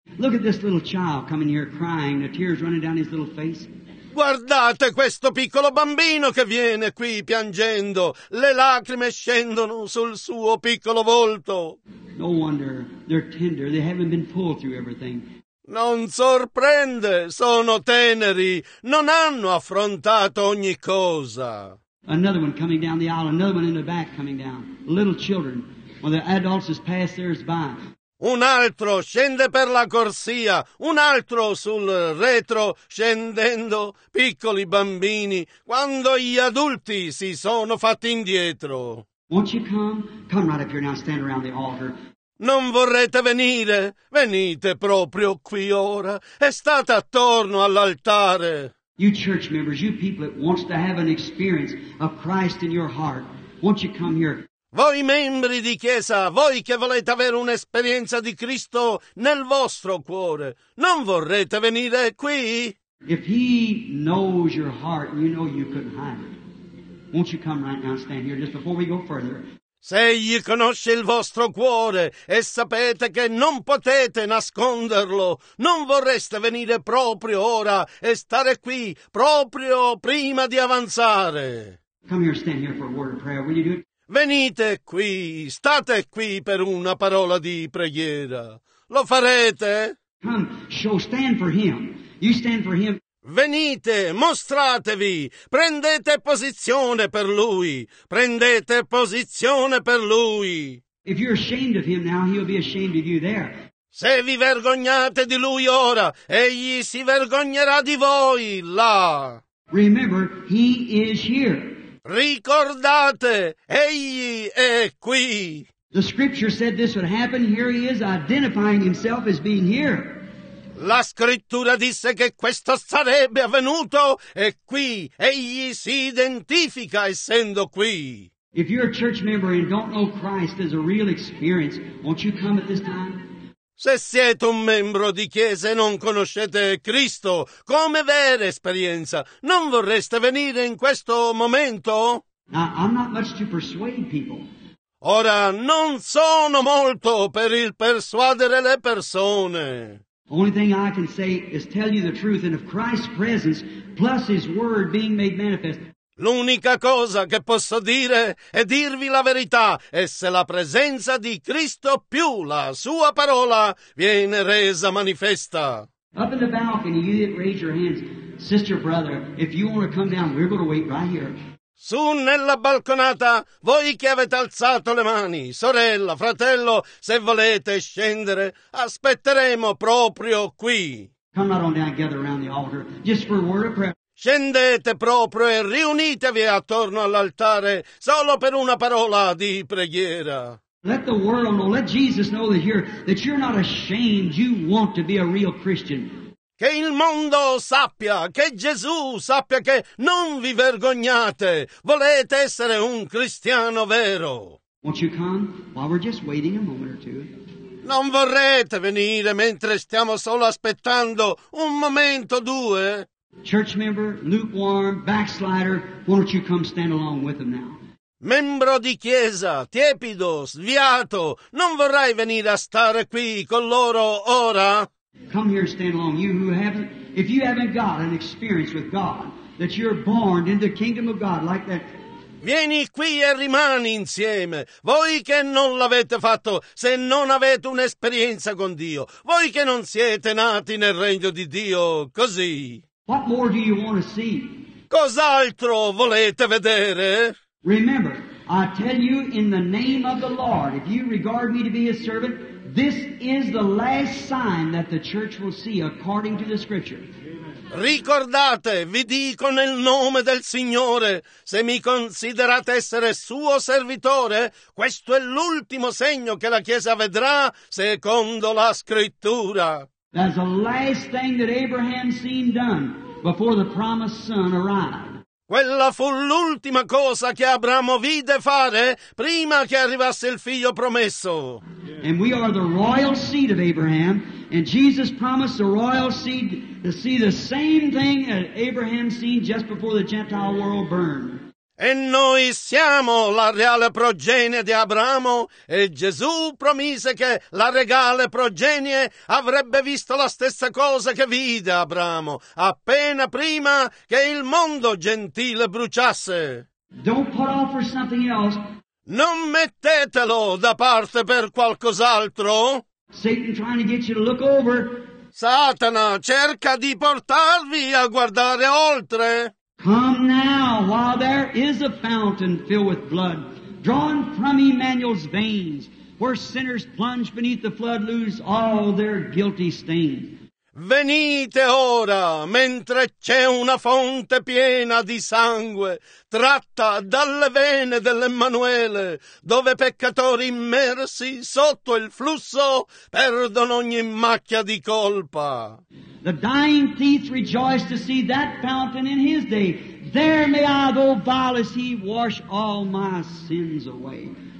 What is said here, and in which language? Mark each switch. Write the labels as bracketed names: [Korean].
[English] Look at this little child coming here crying, the tears running down his little face. [Italian] Guardate questo piccolo bambino che viene qui piangendo. Le lacrime scendono sul suo piccolo volto. [English] No wonder they're tender. They haven't been pulled through everything. [Italian] Non sorprende. Sono teneri. Non hanno affrontato ogni cosa. [English] Another one coming down the aisle. Another one in the back coming down. Little children. When the adults just pass theirs by. [Italian] Un altro scende per la corsia, un altro sul retro scendendo, piccoli bambini, quando gli adulti si sono fatti indietro. [English] Won't you come? Come right up here now, stand around the altar. [Italian] Non vorrete venire? Venite proprio qui ora e state attorno all'altare. [English] You church members, you people that wants to have an experience of Christ in your heart, won't you come here? [Italian] Voi membri di Chiesa, voi che volete avere un'esperienza di Cristo nel vostro cuore, non vorrete venire qui? [English] If he knows your heart, you know you couldn't hide it. Won't you come right now and stand here just before we go further? [Italian] Se egli conosce il vostro cuore e sapete che non potete nasconderlo, non vorreste venire proprio ora e stare qui proprio prima di avanzare. [English] Come here, stand here for a word of prayer. Will you do it? [Italian] Venite qui, state qui per una parola di preghiera. Lo farete? [English] Come, show, stand for him. You stand for him. [Italian] Venite, mostratevi, prendete posizione per lui. Prendete posizione per lui. [English] If you're ashamed of him now, he'll be ashamed of you there. [Italian] Se vi vergognate di lui ora, egli si vergognerà di voi là. [English] Remember, he is here. [Italian] Ricordate, egli è qui. [English] The scripture said this would happen. Here he is identifying himself as being here. [Italian] La scrittura disse che questo sarebbe avvenuto e qui egli si identifica essendo qui. [English] If you're a church member and don't know Christ as a real experience, won't you come at this time? [Italian] Se siete un membro di chiesa e non conoscete Cristo come vera esperienza, non vorreste venire in questo momento? [English] Now, I'm not much to persuade people. [Italian] Ora non sono molto per il persuadere le persone. [English] Only thing I can say is tell you the truth, and of Christ's presence plus his word being made manifest. [Italian] L'unica cosa che posso dire è dirvi la verità, e se la presenza di Cristo più la sua parola viene resa manifesta. [English] Up in the balcony, you didn't raise your hands, sister, brother, if you want to come down, we're going to wait right here. [Italian] Su nella balconata, voi che avete alzato le mani, sorella, fratello, se volete scendere, aspetteremo proprio qui. [English] Come right on down, gather around the altar, just for a word of prayer. [Italian] Scendete proprio e riunitevi attorno all'altare solo per una parola di preghiera. [English] Let the world know, let Jesus know that you're not ashamed, you want to be a real Christian. [Italian] Che il mondo sappia, che Gesù sappia che non vi vergognate, volete essere un cristiano vero. [English] Won't you come while we're just waiting a moment or two? [Italian] Non vorrete venire mentre stiamo solo aspettando un momento o due? [English] Church member, lukewarm, backslider, won't you come stand along with them now? [Italian] Membro di chiesa, tiepido, sviato, non vorrai venire a stare qui con loro ora? [English] Come here, stand along, you who haven't, if you haven't got an experience with God, that you're born in the kingdom of God like that. [Italian] Vieni qui e rimani insieme, voi che non l'avete fatto, se non avete un'esperienza con Dio, voi che non siete nati nel regno di Dio, così. [English] What more do you want to see? [Italian] Cos'altro volete vedere? [English] Remember, I tell you in the name of the Lord, if you regard me to be his servant, this is the last sign that the church will see according to the scripture. [Italian] Ricordate, vi dico nel nome del Signore, se mi considerate essere suo servitore, questo è l'ultimo segno che la Chiesa vedrà secondo la scrittura. [English] That's the last thing that Abraham seen done before the promised son arrived. [Italian] Quella fu l'ultima cosa che Abramo vide fare prima che arrivasse il figlio promesso. [English] And we are the royal seed of Abraham, and Jesus promised the royal seed to see the same thing that Abraham seen just before the Gentile world burned. [Italian] E noi siamo la reale progenie di Abramo, e Gesù promise che la regale progenie avrebbe visto la stessa cosa che vide Abramo, appena prima che il mondo gentile bruciasse. [English] Don't put off for something else. [Italian] Non mettetelo da parte per qualcos'altro. [English] Satan trying to get you to look over. [Italian] Satana cerca di portarvi a guardare oltre. [English] Come now, while there is a fountain filled with blood, drawn from Emmanuel's veins, where sinners plunge beneath the flood, lose all their guilty stains. [Italian] Venite ora, mentre c'è una fonte piena di sangue, tratta dalle vene dell'Emmanuele, dove peccatori immersi sotto il flusso perdono ogni macchia di colpa. [English] The dying thief rejoiced to see that fountain in his day. There may I, though vile as he, wash all my sins away.